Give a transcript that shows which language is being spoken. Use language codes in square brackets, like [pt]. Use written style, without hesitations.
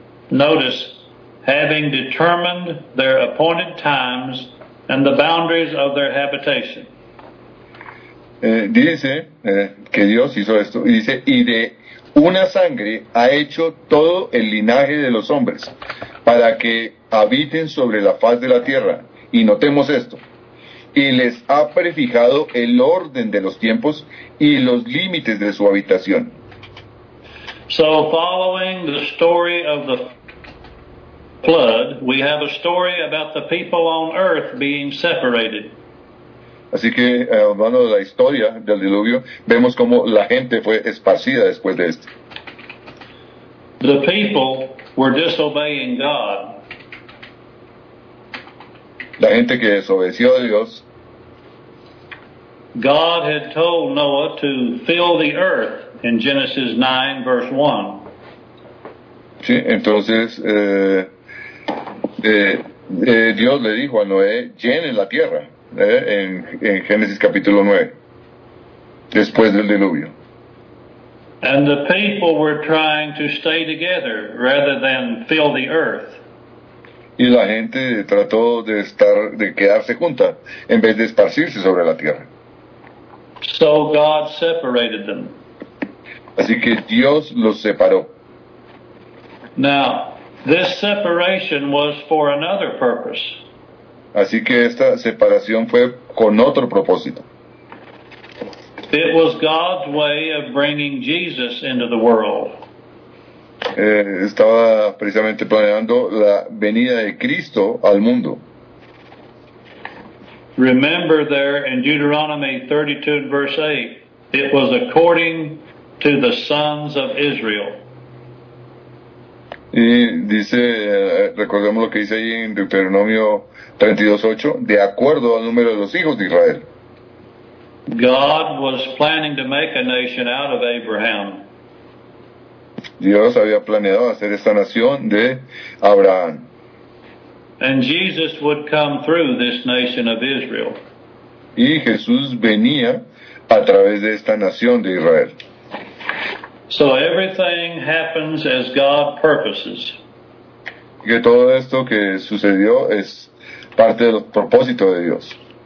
[en] Notice, having determined their appointed times and the boundaries of their habitation. [es] Dice que Dios hizo esto. Dice, y de una sangre ha hecho todo el linaje de los hombres para que habiten sobre la faz de la tierra. Y notemos esto. Y les ha prefijado el orden de los tiempos y los límites de su habitación. [en] So following the story of the flood, we have a story about the people on earth being separated. [es] Así que, hablando de la historia del diluvio, vemos cómo la gente fue esparcida después de esto. [en] The people were disobeying God. [es] La gente que desobedeció a Dios. [en] God had told Noah to fill the earth in Genesis 9, verse 1. [es] Sí, entonces, Dios le dijo a Noé, llene la tierra, en Génesis capítulo 9, después del diluvio. [en] And the people were trying to stay together rather than fill the earth. [es] Y la gente trató de estar, de quedarse junta, en vez de esparcirse sobre la tierra. [en] So God separated them. [es] Así que Dios los separó. [en] Now, this separation was for another purpose. [es] Así que esta separación fue con otro propósito. [en] It was God's way of bringing Jesus into the world. [es] Estaba precisamente planeando la venida de Cristo al mundo. [en] Remember there in Deuteronomy 32 and verse 8, it was according to the sons of Israel. [es] Y dice, recordemos lo que dice ahí en Deuteronomio 32:8, de acuerdo al número de los hijos de Israel. [en] God was planning to make a nation out of Abraham. [es] Dios había planeado hacer esta nación de Abraham. [en] And Jesus would come through this nation of Israel. [es] Y Jesús venía a través de esta nación de Israel. [en] So everything happens as God purposes. [es] Que todo esto que sucedió es parte del propósito de Dios.